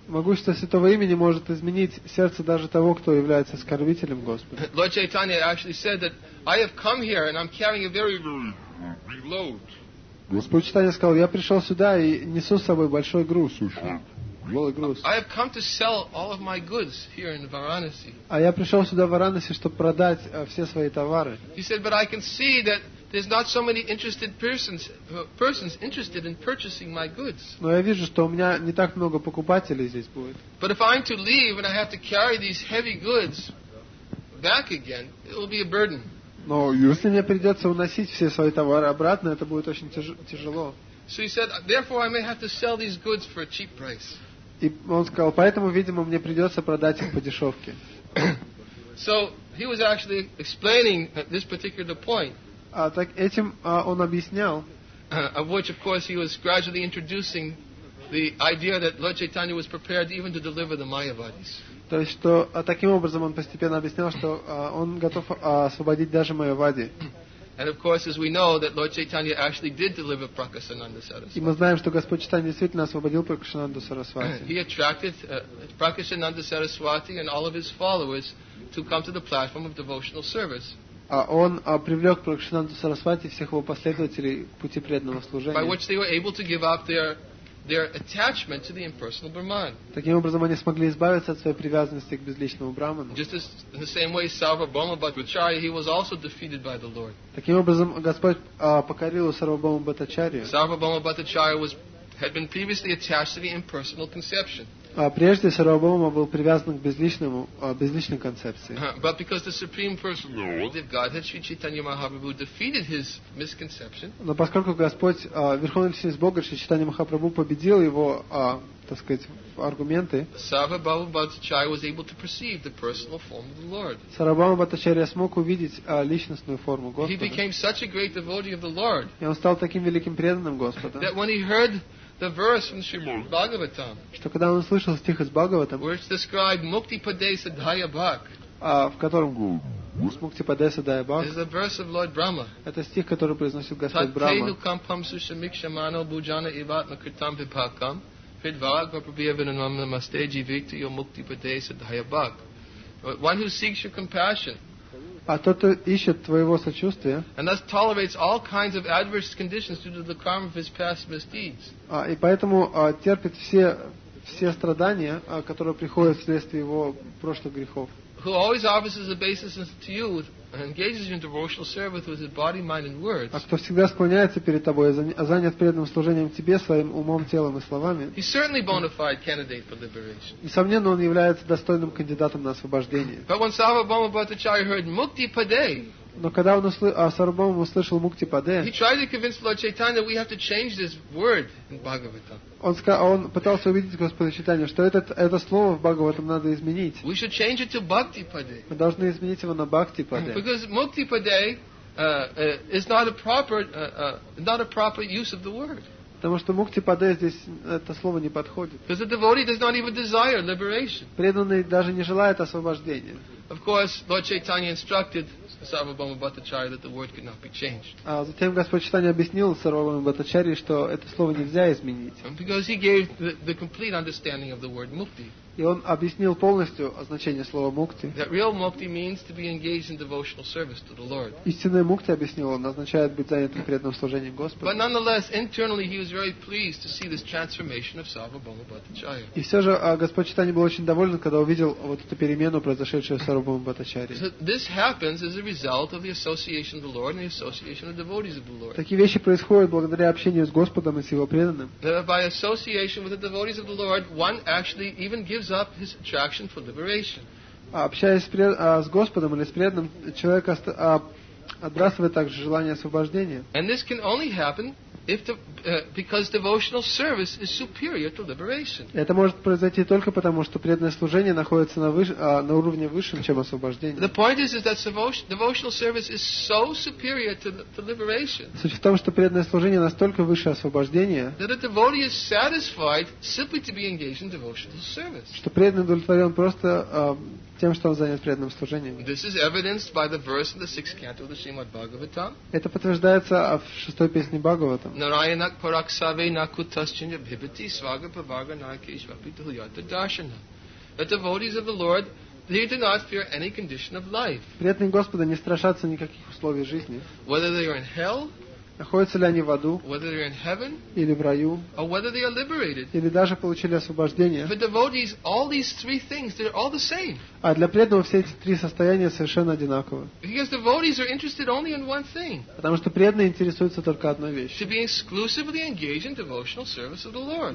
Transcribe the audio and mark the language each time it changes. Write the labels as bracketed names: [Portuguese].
[Russian] Могущество святого имени может изменить сердце даже того, кто является оскорбителем Господа. [English] Lord Chaitanya actually said that I have come here and I'm carrying a very heavy load. [Russian] Господь Чайтанья сказал, я пришел сюда и несу с собой большой груз. [English] I have come to sell all of my goods here in Varanasi. [Russian] А я пришел сюда в Варанаси, чтобы продать все свои товары. [English] He said, but I can see that there's not so many interested persons interested in purchasing my goods. [Russian] Но я вижу, что у меня не так много покупателей здесь будет. [English] But if I'm to leave and I have to carry these heavy goods back again, it will be a burden. [Russian] Но если мне придется уносить все свои товары обратно, это будет очень тяжело. [English] So he said, therefore I may have to sell these goods for a cheap price. [Russian] И он сказал, поэтому, видимо, мне придется продать их по дешевке. [English] So he was actually explaining this particular point. [Russian] Так этим он объяснял. [English] Of which, of course, he was gradually introducing the idea that Lord Chaitanya was prepared even to deliver the Mayavadis. [Russian] То есть, что таким образом он постепенно объяснял, что он готов освободить даже Майявади. [English] And of course, as we know, that Lord Chaitanya actually did deliver Prakasananda Saraswati. [Russian] И мы знаем, что Господь Чайтанья действительно освободил Пракашананду Сарасвати. [English] He attracted Prakashananda Saraswati and all of his followers to come to the platform of devotional service. [Russian] Он привлек Пракашананду Сарасвати и всех его последователей к пути преданного служения. [English] By which they were able to give up their their attachment to the impersonal Brahman. [Russian] Таким образом, они смогли избавиться от своей привязанности к безличному Брахману. [English] Just as in the same way, Sarvabhauma Bhattacharya, he was also defeated by the Lord. [Russian] Таким образом, Господь покорил Сарвабхаума Бхаттачарью. [English] Sarvabhauma Bhattacharya had been previously attached to the impersonal conception. [Russian] Прежде Сарвабхаума был привязан к безличному, безличной концепции. [English] But because the Supreme Personality of Godhead, Sri Chaitanya Mahaprabhu, defeated his misconception, [Russian] но поскольку Господь, Верховная Личность Бога, Шри Чайтанья Махапрабху, победил его, так сказать, аргументы, [English] Sarvabhauma Bhattacharya was able to perceive the personal form of the Lord. [Russian] Сарвабхаума Бхаттачарья смог увидеть личностную форму Господа. [English] He became such a great devotee of the Lord. [Russian] И он стал таким великим преданным Господа. [English] That when he heard the verse from Srimad Bhagavatam, [Russian] что когда он услышал стих из Бхагаватам, [English] which described [Sanskrit] Mukti Padeh Sadhaya Bhak, [Russian] в котором [Sanskrit] Мукти Падеха Садхая Бхак, [English] is the verse of Lord Brahma. [Russian] Это стих, который произносил Господь Брахма. [Sanskrit] Татейну кампам сушамикшамано буджана иватна критам випакам Pidvaga Prabhavanam Namaste Jivita Yo Mukti Padeh Sadhaya Bhak. [English] One who seeks your compassion, [Russian] а тот, кто ищет твоего сочувствия, [English] and thus tolerates all kinds of adverse conditions due to the karma of his past misdeeds, [Russian] и поэтому терпит все страдания, которые приходят вследствие его прошлых грехов, [English] who always offers his obeisance to you and engages you in devotional service with his body, mind and words, [Russian] а кто всегда склоняется перед тобой, занят преданным служением тебе своим умом, телом и словами, [English] he's certainly bona fide candidate for liberation. [Russian] Несомненно, он является достойным кандидатом на освобождение. [English] But when Sarvabhauma Bhattacharya heard Mukti Padeh, [Russian] но когда он Сарвабхаума услышал Мукти Паде, [English] he tried to convince Lord Chaitanya that we have to change this word in Bhagavatam. [Russian] Он пытался убедить Господа Чайтанью, что это слово в Бхагаватам надо изменить. [English] We should change it to Bhakti Pade. [Russian] Мы должны изменить его на Бхакти Паде. [English] Because Mukti Pade is not a proper use of the word. [Russian] Потому что Мукти Паде здесь это слово не подходит. [English] Because the devotee does not even desire liberation. [Russian] Преданный даже не желает освобождения. [English] Of course, Lord Chaitanya instructed Sarvabhauma Bhattacharya that the word could not be changed. [Russian] Затем Господь Чайтанья объяснил Сарвабхаума Бхаттачарье, что это слово нельзя изменить. [English] Because he gave the complete understanding of the word mukti. [Russian] И он объяснил полностью значение слова мукти. [English] That real mukti means to be engaged in devotional service to the Lord. [Russian] Истинная мукти, объяснил он, означает быть занятым преданным служением Господу. [English] But nonetheless, internally he was very pleased to see this transformation of Sarvabhauma Bhattacharya. [Russian] И все же Господь Чайтанья был очень доволен, когда увидел вот эту перемену, произошедшую с Сарвабхаумой Бхаттачарьей. [English] This happens as a result of the association of the Lord and the association of devotees of the Lord. [Russian] Такие вещи происходят благодаря общению с Господом и с Его преданным. [English] By association with the devotees of the Lord, one actually even gives up his attraction for liberation. [Russian] Общаясь с Господом или с преданным, человек отбрасывает также желание освобождения. [English] And this can only happen because devotional service is superior to liberation. [Russian] Это может произойти только потому, что преданное служение находится на уровне выше, чем освобождение. [English] The point is that devotional service is so superior to liberation. [Russian] Суть в том, что преданное служение настолько выше освобождения, [English] that a devotee is satisfied simply to be engaged in devotional service. [Russian] Что преданный удовлетворен просто тем, что он занят преданным служением. [English] This is evidenced by the verse in the sixth canto of the Srimad Bhagavatam. [Russian] Это подтверждается в шестой песне Бхагаватам. [Sanskrit] Narayana paraksave nakutaschina bhibati svaga pavaga nakeshvapitahu yata darshana. [English] The devotees of the Lord, they do not fear any condition of life. [Russian] Преданные Господа не страшатся никаких условий жизни. [English] Whether they are in hell, [Russian] находятся ли они в аду, [English] whether they are in heaven, [Russian] или в раю, [English] or whether they are liberated, [Russian] или даже получили освобождение. [English] For devotees, all these three things, they're all the same. [Russian] А для преданного все эти три состояния совершенно одинаковы. [English] Because devotees are interested only in one thing. [Russian] Потому что преданные интересуются только одной вещью. [English] To be exclusively engaged in devotional service of the Lord.